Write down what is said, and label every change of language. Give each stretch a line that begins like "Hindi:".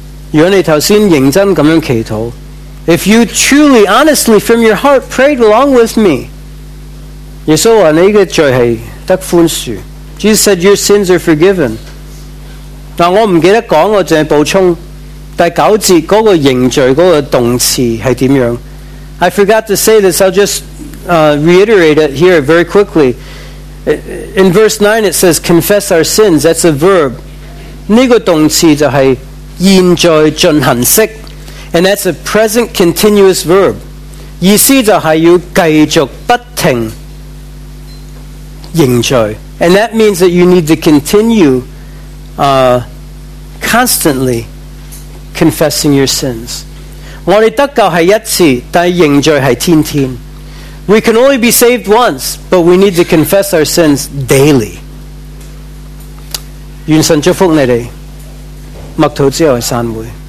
Cantonese: 如果你头先认真咁样祈祷，
English: If you truly, honestly, from your heart prayed along with me,
Cantonese: 耶稣话你嘅罪系得宽恕。
English: Jesus said your sins are forgiven.
Cantonese: 但我唔记得讲，我净系补充第九节嗰个认罪嗰个动词系点样。
English: I forgot to say this, I'll just reiterate it here very quickly. In verse 9 it says, confess our sins, that's a verb.
Cantonese: 这个动词就是现在进行式。
English: And that's a present continuous verb.
Cantonese: 意思就是要继续不停认罪。
English: And that means that you need to continue constantly confessing your sins.
Cantonese: 我们得救是一次，但认罪是天天。
English: We can only be saved once, but we need to confess our sins daily.
Cantonese: 愿神祝福你们，默祷之后散会。